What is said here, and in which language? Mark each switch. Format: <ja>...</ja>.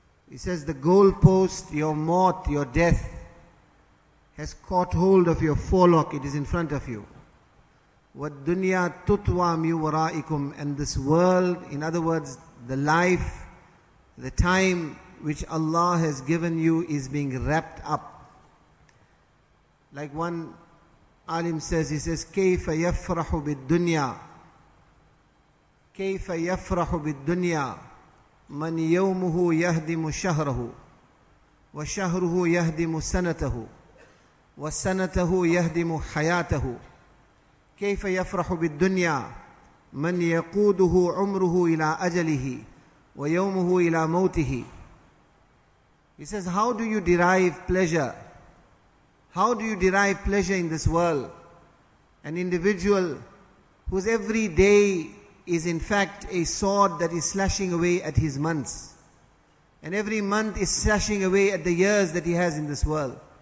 <en>He says, the goalpost, your mort, your death, has caught hold of your forelock, it is in front of you.</en> <ar>Wa-dunya tutwa mi waraikum,</ar> <en>and this world, in other words, the life, the time which Allah has given you is being wrapped up. Like one alim says, he says,</en> <ar>كَيْفَ يَفْرَحُ بِالدُّنْيَا كَيْفَ يَفْرَحُ بِالدُّنْيَا مَنْ يَوْمُهُ يَهْدِمُ شَهْرَهُ وَشَهْرُهُ يَهْدِمُ سَنَتَهُ وَسَنَتَهُ يَهْدِمُ حَيَاتَهُ كَيْفَ يَفْرَحُ بِالدُّنْيَا مَنْ يَقُودُهُ عُمْرُهُ إِلَىٰ أَجَلِهِ وَيَوْمُهُ إِلَىٰ مَوْتِهِ.</ar> <en>He says, how do you derive pleasure? How do you derive pleasure in this world? An individual whose every day is in fact a sword that is slashing away at his months. And every month is slashing away at the years that he has in this world.</en>